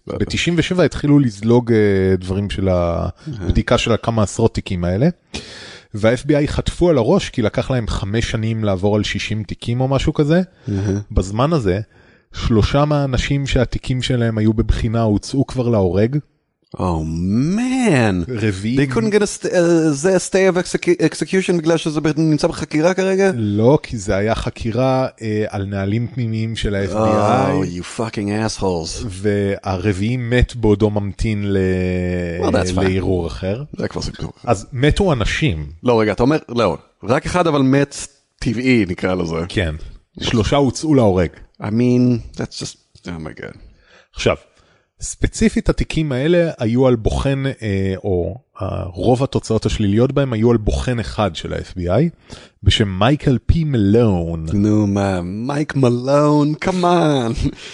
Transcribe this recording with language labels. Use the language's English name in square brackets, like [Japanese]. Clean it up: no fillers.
[Hebrew] ב-97 התחילו לזלוג דברים של הבדיקה של כמה עשרות תיקים האלה, וה-FBI חטפו על הראש כי לקח להם 5 שנים לעבור על 60 תיקים או משהו כזה. בזמן הזה, 3 מהאנשים שהתיקים שלהם היו בבחינה הוצאו כבר להורג, [English] Oh man, [Hebrew] רביעים. [English] They couldn't get a stay of execution בגלל שזה נמצא בחקירה כרגע? [Hebrew] לא, כי זה היה חקירה על נהלים פנימיים של ה-FBI. [English] Oh, you fucking assholes. [Hebrew] והרביעים מת בעודו ממתין [English] well, [Hebrew] לאירור אחר. זה כבר סיפור. אז מתו אנשים. לא, רגע, אתה אומר, לא, רק אחד אבל מת טבעי, נקרא לזה. כן. שלושה הוצאו להורג. [English] I mean, that's just, oh my god. [Hebrew] עכשיו, ספציפית התיקים האלה היו על בוחן, או רוב התוצאות השליליות בהם היו על בוחן אחד של ה-FBI, בשם מייקל פי מלון. נו, מה, מייק מלון, come on.